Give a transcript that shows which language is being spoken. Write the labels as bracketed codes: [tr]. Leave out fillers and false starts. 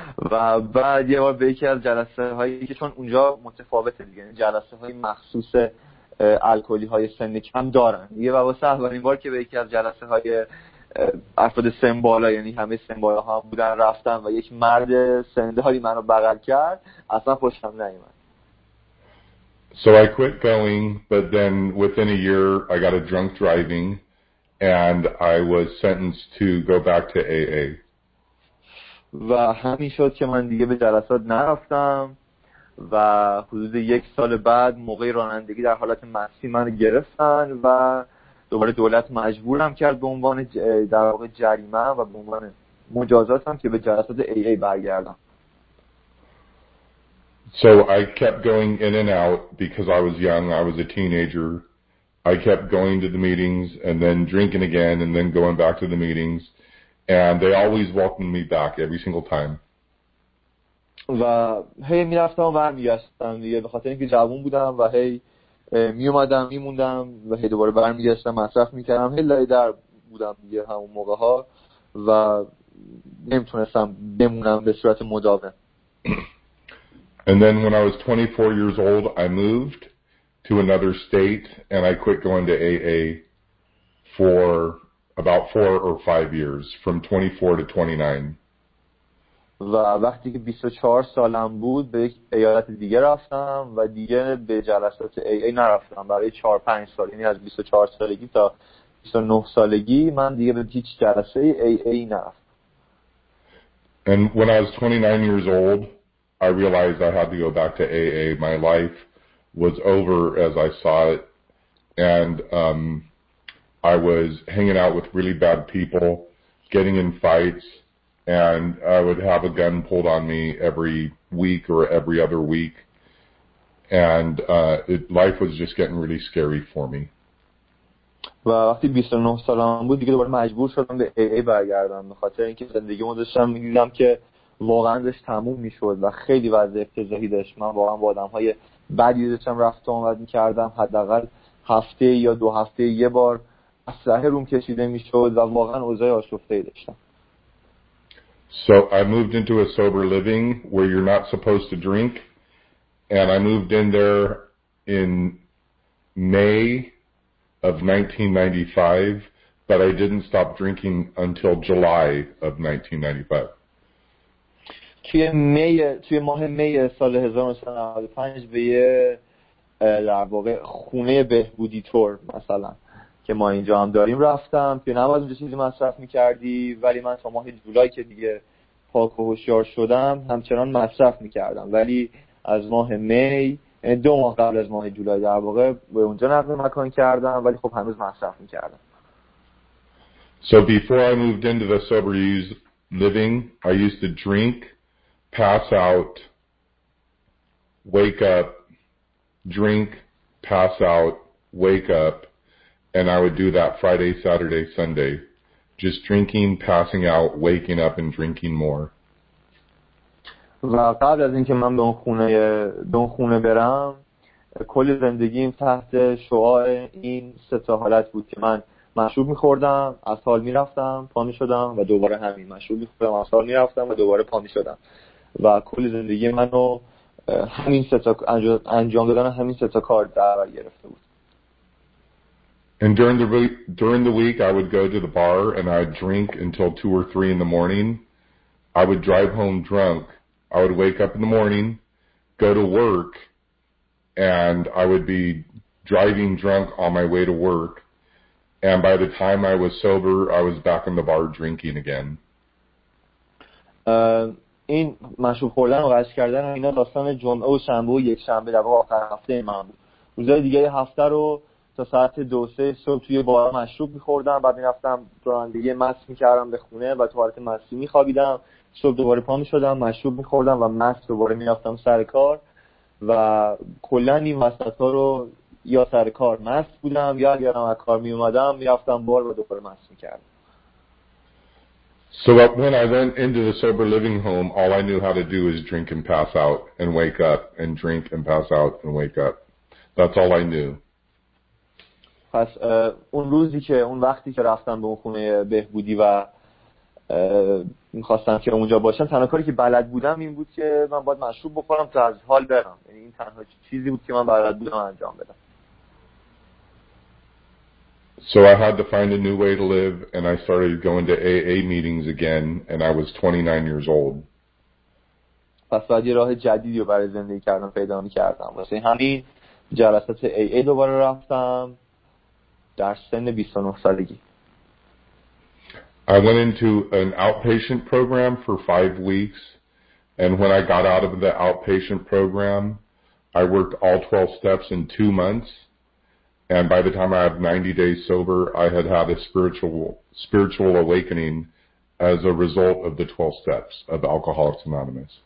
[fa] و بعد یه بار به یکی از جلسه هایی که چون اونجا متفاوته دیگه، جلسه های مخصوص الکلی های سن کم دارن، یه بار واسه اولین بار که به یکی از جلسه های افراد سن بالا، یعنی همه سن بالا ها بودن، رفتم و یک مرد سنداری من رو بغل کرد، اصلا خوشم نیومد. [en] So I quit going, but then within a year I got a drunk driving and I was sentenced to go back to AA. [fa] و همین شد که من دیگه به جلسات نرفتم و حدود یک سال بعد موقع رانندگی در حالت مستی من رو گرفتن و دوباره دولت مجبورم کرد به عنوان در واقع جریمه و به عنوان مجازاتم که به جلسات AA برگردم. [en] So I kept going in and out because I was young, I was a teenager. I kept going to the meetings and then drinking again and then going back to the meetings. And they always welcomed me back every single time. [fa] و هی می‌رفتم و برمیگشتم دیگه، به خاطر اینکه جوان بودم و هی میومدم میموندم و هی دوباره برمیگشتم مصرف می‌کردم، هی لای در بودم دیگه همون موقع‌ها و نمی‌تونستم بمونم به صورت مداوم. [en] And then when I was 24 years old, I moved to another state and I quit going to AA for about 4 or 5 years, from 24 to 29. [fa] و وقتی که 24 سالم بود به یک ایالت دیگه رفتم و دیگه به جلسات AA نرفتم برای 4-5 سال، یعنی از 24 سالگی تا 29 سالگی من دیگه به هیچ جلسه AA نرفتم. [en] And when I was 29 years old, I realized I had to go back to AA. My life was over as I saw it, and I was hanging out with really bad people, getting in fights, and I would have a gun pulled on me every week or every other week, and life was just getting really scary for me. [fa] و وقتی 29 سالم بود دیگه دوباره مجبور شدم به AA برگردم، به خاطر اینکه زندگی من داشتم می‌دیدم که واقعا داشت تموم می‌شد و خیلی وضع افتضاحی داشت. من واقعا با آدم‌های بدی داشتم رفت و آمد می‌کردم، حداقل هفته یا دو هفته یه بار اسلحه روم کشیده می شود و واقعا اوضاع آشفته ای داشتم. [en] So I moved into a sober living where you're not supposed to drink, and I moved in there in May of 1995, but I didn't stop drinking until July of 1995. [fa] توی ماه می سال 1995 به یه در واقع خونه بهبودی تور مثلا که ما اینجا هم داریم رفتم که نباید یه چیزی مصرف می‌کردی، ولی من تا ماه جولای که دیگه پاک و هوشیار شدم همچنان مصرف می‌کردم، ولی از ماه می، دو ماه قبل از ماه جولای در واقع، به اونجا نقل مکان کردم ولی خب هنوز مصرف می‌کردم. [en] So before I moved into the sober living, I used to drink, pass out, wake up, drink, pass out, wake up. And I would do that Friday, Saturday, Sunday. Just drinking, passing out, waking up and drinking more. [fa] و قبل از اینکه من به اون خونه برم، کل زندگیم تحت شعاع این سه تا حالت بود که من مشروب می‌خوردم، از حال می‌رفتم، پا می‌شدم و دوباره همین مشروب می‌خوردم، از حال می‌رفتم و دوباره پا می‌شدم. و کل زندگی منو همین سه تا انجام دادن همین سه تا کار در بر گرفته بود. [en] And during the week, I would go to the bar and I'd drink until 2 or 3 in the morning. I would drive home drunk. I would wake up in the morning, go to work, and I would be driving drunk on my way to work. And by the time I was sober, I was back in the bar drinking again. [fa] این مشروب خوردن و قش کردن اینا داستان جمعه و شنبه و یک شنبه در واقع آخر هفته من بود. روزهای دیگه هفته رو تا ساعت 2-3 صبح توی بار مشروب می‌خوردم، بعد می‌رفتم رانندگی مست می‌کردم به خونه و تو حالت مستی می‌خوابیدم، صبح دوباره پا می‌شدم مشروب می‌خوردم و مست دوباره می‌رفتم سر کار و کلا این وسط ها رو یا سر کار مست بودم یا اگر هم از کار می اومدم می رفتم بار و دوباره مست می کردم. [en] So when I went into the sober living home, all I knew how to do was drink and pass out and wake up and drink and pass out and wake up. That's all I knew. [fa] پس اون روزی که اون وقتی که رفتم به اون خونه بهبودی و میخواستم که اونجا باشم، تنها کاری که بلد بودم این بود که من باید مشروب بخورم تا از حال برم. یعنی این تنها چیزی بود که من بلد بودم انجام بدم. [en] So I had to find a new way to live, and I started going to AA meetings again, and I was 29 years old. [fa] پس بعد یه راه جدیدی رو برای زندگی کردن پیدا می‌کردم. واسه همین جلسات AA دوباره رفتم در سن 29 سالگی. [en] I went into an outpatient program for 5 weeks, and when I got out of the outpatient program, I worked all 12 steps in 2 months. And by the time I had 90 days sober, I had had a spiritual awakening as a result of the 12 steps of Alcoholics Anonymous.